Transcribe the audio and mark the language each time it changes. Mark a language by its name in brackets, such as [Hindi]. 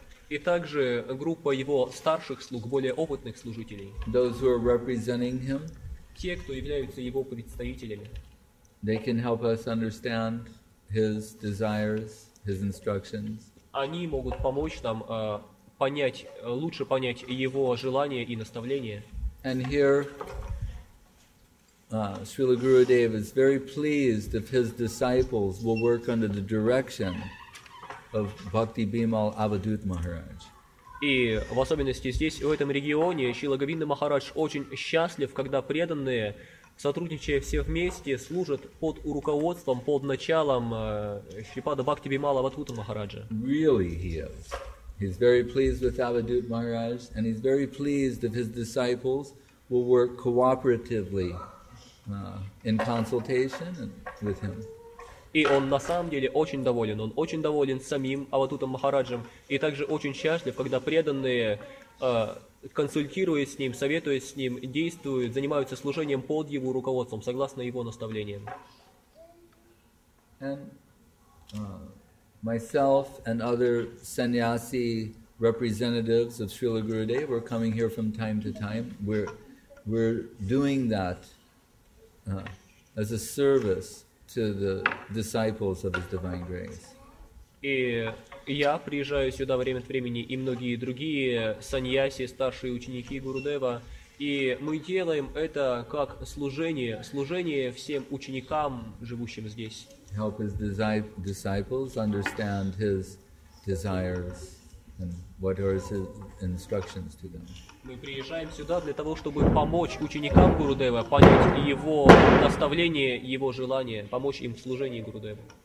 [Russian] И также группа его старших слуг, более опытных служителей. [English] Those who are representing him. [Russian] Те, кто являются его представителями. [English] They can help us understand his desires, his instructions. [Russian] Они могут помочь нам лучше понять его желания и наставления. [English] And here, Srila Gurudev is very pleased if his disciples will work under the direction of Bhakti Bimal Avadhut Maharaj. [Russian] И в особенности здесь, в этом регионе, Шрила Говинда Махарадж очень счастлив, когда преданные, сотрудничая все вместе, служат под руководством, под началом Шрипада Бхакти Бимала Авадхута Махараджа. [English] Really he is. He's very pleased with Avadhut Maharaj, and he's very pleased if his disciples will work cooperatively in consultation with him. [Russian] И он на самом деле очень доволен. Он очень доволен самим Авадхутом Махараджем и также очень счастлив, когда преданные, консультируясь с ним, советуясь с ним, действуют, занимаются служением под его руководством, согласно его наставлениям. [English] And, myself and other sannyasi representatives of Srila Gurudev were coming here from time to time. We're doing that as a service to the disciples of His Divine Grace. [Russian] И я приезжаю сюда время от времени, и многие другие саньяси, старшие ученики Гурудева, и мы делаем это как служение всем ученикам, живущим здесь. [English] Help His disciples understand His desires and what are His instructions to them. [Russian] Мы приезжаем сюда для того, чтобы помочь ученикам Гурудева понять его наставление, его желание, помочь им в служении Гурудеву.